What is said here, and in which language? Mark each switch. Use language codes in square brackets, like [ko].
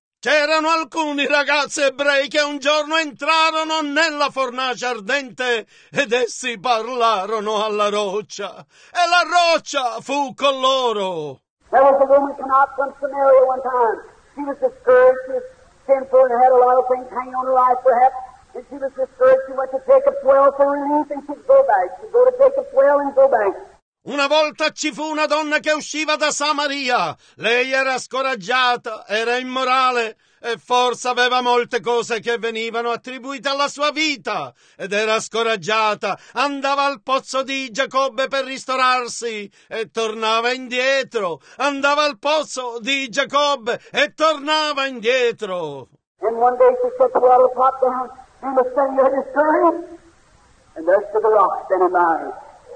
[it] C'erano alcuni ragazzi ebrei che un giorno entrarono nella fornace ardente ed essi parlarono alla roccia, e la roccia fu con loro. [en] There was a woman come out from Samaria one time. She was discouraged, she was sinful, and had a lot of things hanging on her life, perhaps. And she was discouraged, she went to Jacob's well for relief, and she'd go back. She'd go to Jacob's well and go back. [it] Una volta ci fu una donna che usciva da Samaria. Lei era scoraggiata, era immorale e forse aveva molte cose che venivano attribuite alla sua vita. Ed era scoraggiata, andava al pozzo di Giacobbe per ristorarsi e tornava indietro. Andava al pozzo di Giacobbe e tornava indietro. [en] And one day she said, the water pot down, you must send your history. And there stood the rock standing by.